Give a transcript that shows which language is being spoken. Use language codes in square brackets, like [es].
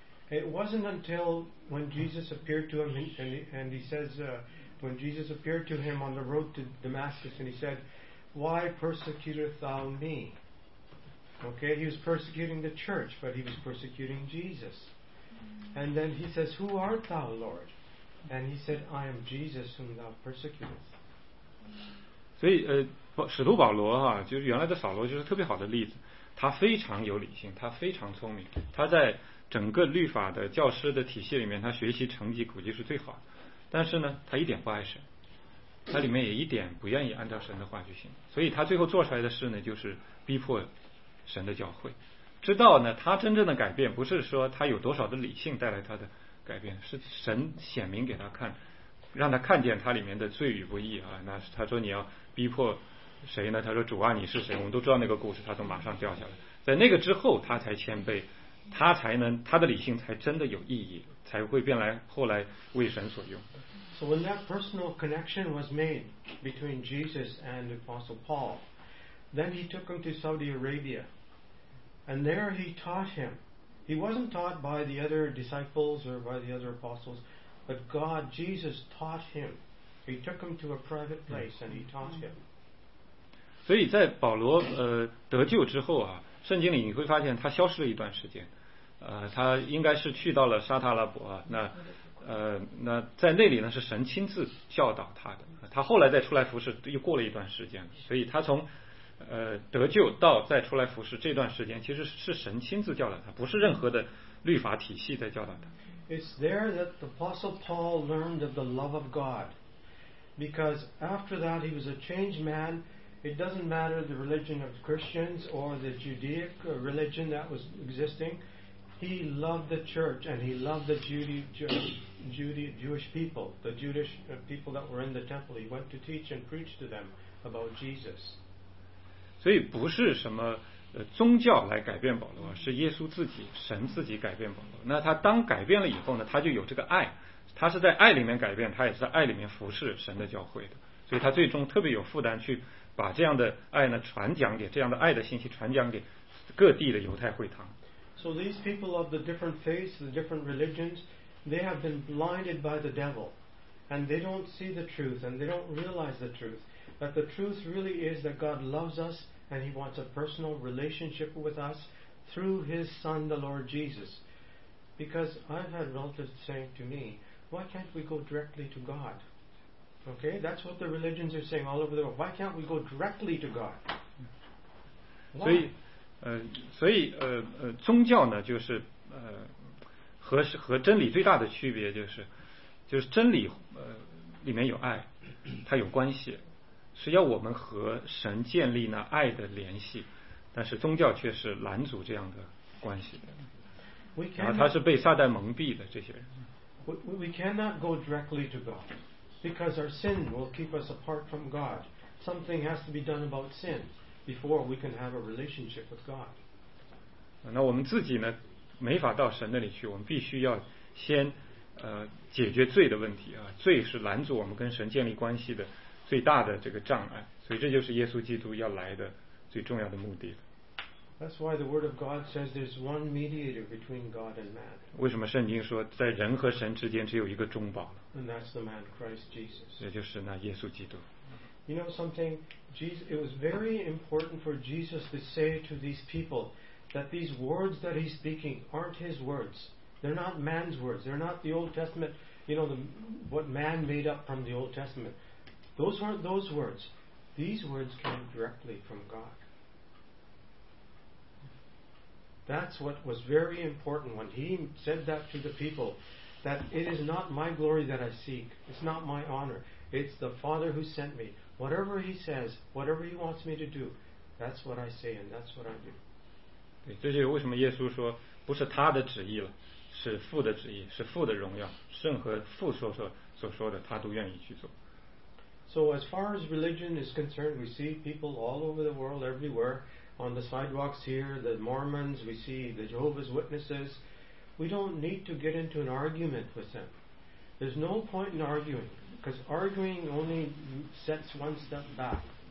[en] It wasn't until when Jesus appeared to him, when Jesus appeared to him on the road to Damascus, and he said, "Why persecutest thou me?" Okay? He was persecuting the church, but he was persecuting Jesus. And then he says, "Who art thou, Lord?" And he said, "I am Jesus whom thou persecutest." [zh] 所以使徒保罗哈，就是原来的扫罗，就是特别好的例子。他非常有理性，他非常聪明。他在整个律法的教师的体系里面，他学习成绩估计是最好的。但是呢，他一点不爱神，他里面也一点不愿意按照神的话去行。所以他最后做出来的事呢，就是逼迫神的教会。知道呢，他真正的改变不是说他有多少的理性带来他的。改变是神显明给他看，让他看见他里面的罪与不义啊。那他说你要逼迫谁呢？他说主啊，你是谁？我们都知道那个故事，他都马上掉下来。在那个之后，他才谦卑，他才能他的理性才真的有意义，才会变来后来为神所用。 [en] So when that personal connection was made between Jesus and the Apostle Paul, then he took him to Saudi Arabia, and there he taught him. He wasn't taught by the other disciples or by the other apostles, but God, Jesus, taught him. He took him to a private place and he taught him. [zh] 所以在保罗得救之后啊，圣经里你会发现他消失了一段时间，他应该是去到了沙特阿拉伯啊。那在那里呢是神亲自教导他的。他后来再出来服侍又过了一段时间，所以他从。得救到再出来服侍这段时间，其实是神亲自教导他，不是任何的律法体系在教导他。 [en] It's there that the Apostle Paul learned of the love of God, because after that he was a changed man. It doesn't matter the religion of Christians or the Judaic religion that was existing. He loved the church and he loved the Jewish people, the Jewish people that were in the temple. He went to teach and preach to them about Jesus. [zh] 所以不是什么宗教来改变保罗，是耶稣自己，神自己改变保罗。那他当改变了以后呢，他就有这个爱，他是在爱里面改变，他也是在爱里面服侍神的教会的。所以他最终特别有负担去把这样的爱呢传讲给，这样的爱的信息传讲给各地的犹太会堂。 [en] So these people of the different faiths, the different religions, they have been blinded by the devil, and they don't see the truth, and they don't realize the truth. But the truth really is that God loves us, and He wants a personal relationship with us through His Son, the Lord Jesus. Because I've had relatives saying to me, why can't we go directly to God? Okay, that's what the religions are saying all over the world. Why can't we go directly to God? Why? [zh] So,所以宗教呢就是和真理最大的区别就是真理里面有爱，它有关系，是要我们和神建立呢爱的联系，但是宗教却是拦阻这样的关系的。 [en] We cannot, [zh] 然后他是被撒旦蒙蔽的这些人。 [en] We cannot go directly to God because our sin will keep us apart from God. Something has to be done about sin. Before we can have a relationship with God. [zh] 那我们自己呢，没法到神那里去，我们必须要先解决罪的问题啊，罪是拦阻我们跟神建立关系的最大的这个障碍，所以这就是耶稣基督要来的最重要的目的。 [en] That's why the Word of God says there's one mediator between God and man. [zh] 为什么圣经说在人和神之间只有一个中保呢？ [en] And that's the man Christ Jesus. [zh] 也就是那耶稣基督。 [en] You know something? Jesus, it was very important for Jesus to say to these people that these words that he's speaking aren't his words. They're not man's words. They're not the Old Testament, you know, what man made up from the Old Testament. Those aren't those words. These words came directly from God. That's what was very important when he said that to the people, that it is not my glory that I seek. It's not my honor. It's the Father who sent me. Whatever he says, whatever he wants me to do, that's what I say and that's what I do. [zh] 对，这就是为什么耶稣说不是他的旨意了，是父的旨意，是父的荣耀，任何父所说的，他都愿意去做。 [en] So as far as religion is concerned, we see people all over the world, everywhere, on the sidewalks here, the Mormons, we see the Jehovah's Witnesses. We don't need to get into an argument with them. There's no point in arguing. Because arguing only sets one step back.